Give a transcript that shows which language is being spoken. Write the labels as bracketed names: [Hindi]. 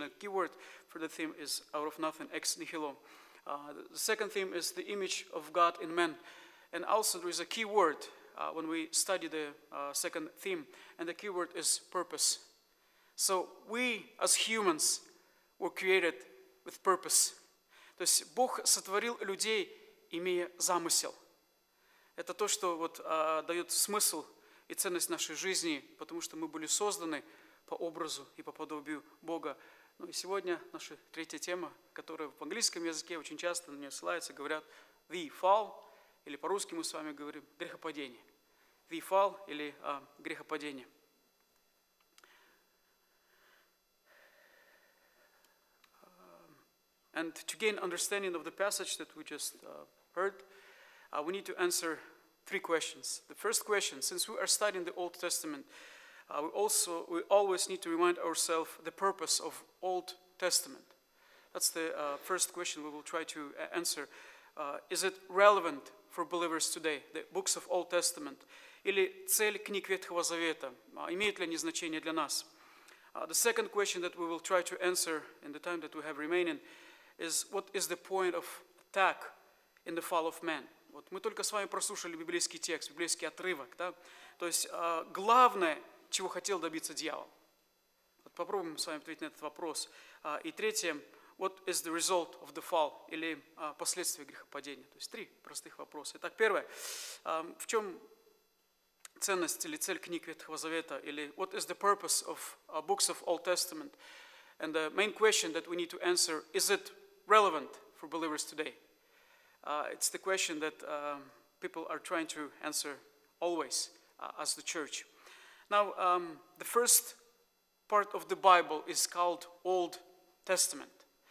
[English] A key word for the theme is out of nothing, ex nihilo. The second theme is the image of God in man. And also there is a key word when we study the second theme, and the key word is purpose. So we as humans were created with purpose. [Russian] То есть Бог сотворил людей, имея замысел. Это то, что дает смысл и ценность нашей жизни, потому что мы были созданы по образу и по подобию Бога. И сегодня наша третья тема, которая в английском языке очень часто на нее ссылается, говорят [English] «the fall», [Russian] или по-русски мы с вами говорим «грехопадение». [English] «The fall» [Russian] или «грехопадение». [English] And to gain understanding of the passage that we just heard, we need to answer three questions. The first question, since we are studying the Old Testament, we always need to remind ourselves the purpose of Old Testament. That's the first question we will try to answer. Is it relevant for believers today, the books of Old Testament? [Russian] Или цель книг Ветхого Завета? Имеет ли они значение для нас? The second question that we will try to answer in the time that we have remaining is, what is the point of attack in the fall of man? Вот мы только с вами прослушали библейский текст, библейский отрывок, да? То есть главное, чего хотел добиться дьявол. Вот попробуем с вами ответить на этот вопрос. И третье, [English] what is the result of the fall? [Russian] Или последствия грехопадения? То есть три простых вопроса. Итак, первое, в чем ценность или цель книг Ветхого Завета? Или [English] what is the purpose of books of Old Testament? And the main question that we need to answer, is it relevant for believers today? It's the question that people are trying to answer always as the church. Now, the first part of the Bible is called Old Testament.